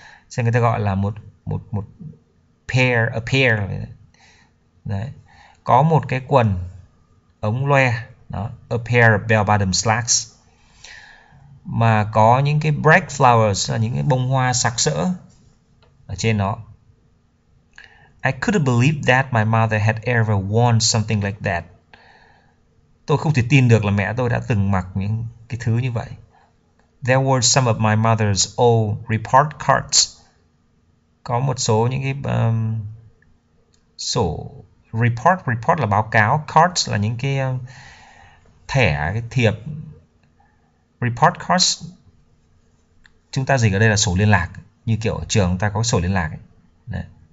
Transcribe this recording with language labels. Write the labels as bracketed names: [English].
[Vietnamese] Cho người ta gọi là một một một pair, a pair. Đấy. Có một cái quần ống loe đó, [English] a pair of bell bottom slacks [Vietnamese] mà có những cái [English] bright flowers [Vietnamese] là những cái bông hoa sặc sỡ ở trên nó. [English] I couldn't believe that my mother had ever worn something like that. [Vietnamese] Tôi không thể tin được là mẹ tôi đã từng mặc những cái thứ như vậy. [English] There were some of my mother's old report cards. [Vietnamese] Có một số những cái sổ report, report là báo cáo, cards là những cái thẻ, cái thiệp. Report cards chúng ta dịch ở đây là sổ liên lạc, như kiểu ở trường chúng ta có sổ liên lạc ấy. Đấy.